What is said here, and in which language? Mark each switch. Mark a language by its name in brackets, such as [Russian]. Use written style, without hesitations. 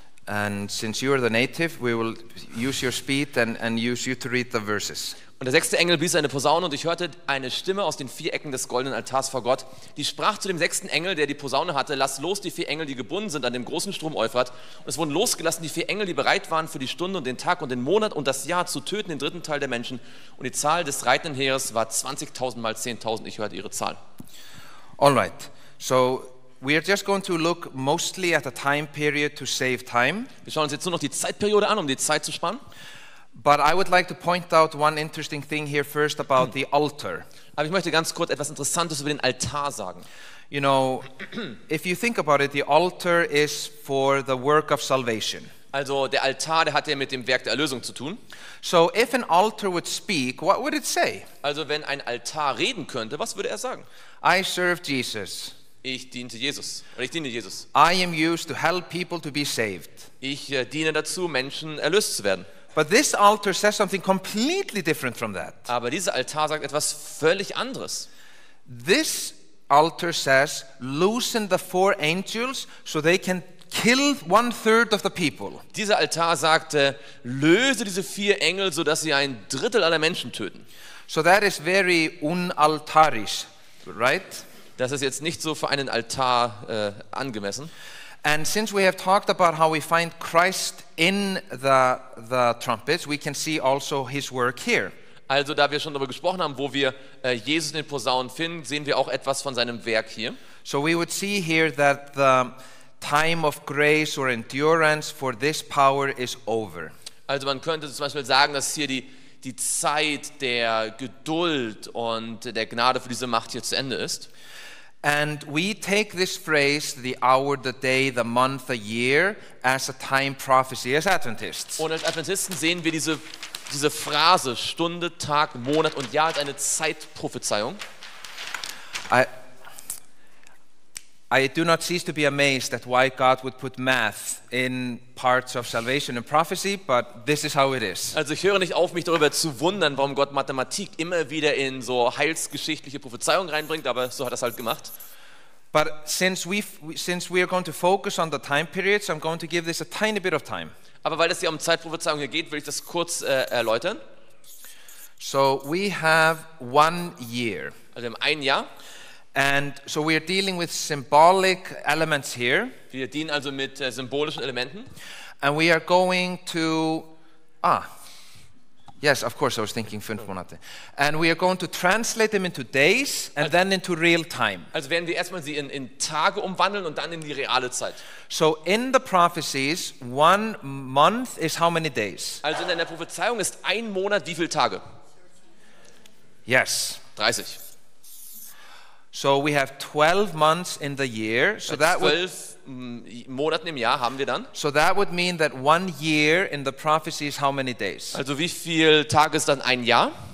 [English] And since you are the native, we will use your speed and use you to read the verses. [German] Und der sechste Engel blies eine Posaune und ich hörte eine Stimme aus den vier Ecken des goldenen Altars vor Gott, die sprach zu dem sechsten Engel, der die Posaune hatte, lass los die vier Engel, die gebunden sind an dem großen Strom Euphrat. Und es wurden losgelassen die vier Engel, die bereit waren für die Stunde und den Tag und den Monat und das Jahr zu töten, den dritten Teil der Menschen. Und die Zahl des reitenden Heeres war 20.000 mal 10.000. Ich hörte ihre Zahl. [English] All right, so we are just going to look mostly at the time period to save time. [German] Wir schauen uns jetzt nur noch die Zeitperiode an, um die Zeit zu sparen. [English] But I would like to point out one interesting thing here first about the altar. [German] Aber ich möchte ganz kurz etwas Interessantes über den Altar sagen. [English] You know, if you think about it, the altar is for the work of salvation. [German] Also der Altar, der hat ja mit dem Werk der Erlösung zu tun. [English] So if an altar would speak, what would it say? [German] Also wenn ein Altar reden könnte, was würde er sagen? [English] I serve Jesus. [German] Ich diente Jesus. Oder ich diene Jesus. [English] I am used to help people to be saved. [German] Ich diene dazu, Menschen erlöst zu werden. [English] But this altar says something completely different from that. [German] Aber dieser Altar sagt etwas völlig anderes. [English] This altar says, loosen the four angels so they can kill 1/3 of the people. [German] Dieser Altar sagt, löse diese vier Engel, so dass sie ein Drittel aller Menschen töten. [English] So that is very unaltarisch, right? [German] Das ist jetzt nicht so für einen Altar angemessen. [English] And since we have talked about how we find Christ in the trumpets, we can see also his work here. [German] Also da wir schon darüber gesprochen haben, wo wir Jesus in den Posaunen finden, sehen wir auch etwas von seinem Werk hier. [English] So we would see here that the time of grace or endurance for this power is over. [German] Also man könnte zum Beispiel sagen, dass hier die Zeit der Geduld und der Gnade für diese Macht hier zu Ende ist. [English] And we take this phrase, the hour, the day, the month, the year, as a time prophecy as Adventists. [German] Und als Adventisten sehen wir diese Phrase, Stunde, Tag, Monat und Jahr, als eine Zeitprophezeiung. [English] I do not cease to be amazed at why God would put math in parts of salvation and prophecy, but this is how it is. [German] Also ich höre nicht auf, mich darüber zu wundern, warum Gott Mathematik immer wieder in so heilsgeschichtliche Prophezeiungen reinbringt, aber so hat er es halt gemacht. [English] But since we are going to focus on the time periods, I'm going to give this a tiny bit of time. [German] Aber weil es hier um Zeitprophezeiung geht, will ich das kurz erläutern. [English] So we have 1 year. [German] Also wir haben ein Jahr. [English] And so we are dealing with symbolic elements here. [German] Wir dienen also mit symbolischen Elementen. [English] And we are going to Yes, of course, I was thinking [German] 5 Monate. [English] And we are going to translate them into days and also, then into real time. [German] Also werden wir erstmal sie in Tage umwandeln und dann in die reale Zeit. [English] So in the prophecies, 1 month is how many days? [German] Also in der Prophezeiung ist ein Monat wie viele Tage? [English] Yes. 30. So we have 12 months in the year. So [German] that 12 Monaten im Jahr haben wir dann. [English] So that would mean that 1 year in the prophecy is how many days? [German] Also wie viel Tage ist dann ein Jahr?